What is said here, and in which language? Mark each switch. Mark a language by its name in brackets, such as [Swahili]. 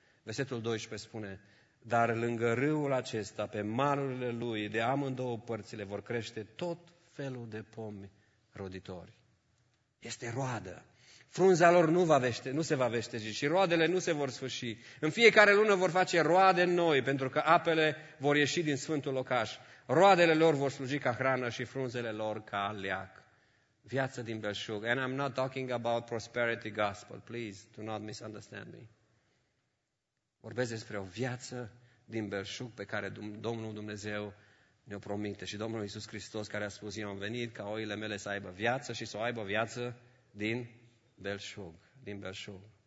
[Romanian] Versetul 12 spune, dar lângă râul acesta, pe malurile lui, de amândouă părțile, vor crește tot felul de pomi roditori. Este roadă. Frunza lor nu, nu se va veșteji și roadele nu se vor sfârși. În fiecare lună vor face roade noi, pentru că apele vor ieși din sfântul locaș. Roadele lor vor sluji ca hrană și frunzele lor ca leac. Viață din belșug. [English] And I'm not talking about prosperity gospel. Please, do not misunderstand me. [Romanian] Vorbesc despre o viață din belșug pe care Domnul Dumnezeu ne-o promite. Și Domnul Iisus Hristos care a spus, eu am venit ca oile mele să aibă viață și să o aibă viață din belșug, din belșug.